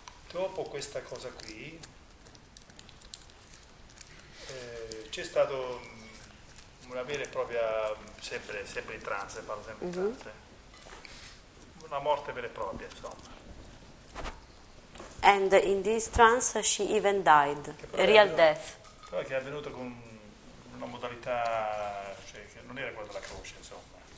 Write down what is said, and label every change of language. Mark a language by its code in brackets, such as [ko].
[it] Dopo questa cosa qui, c'è stato una vera e propria, sempre in trance, parlo sempre in trance, una morte vera e propria, insomma. [en] And in this trance she even died, death. [it] Però che è avvenuto con una modalità, cioè che non era quella della croce, insomma.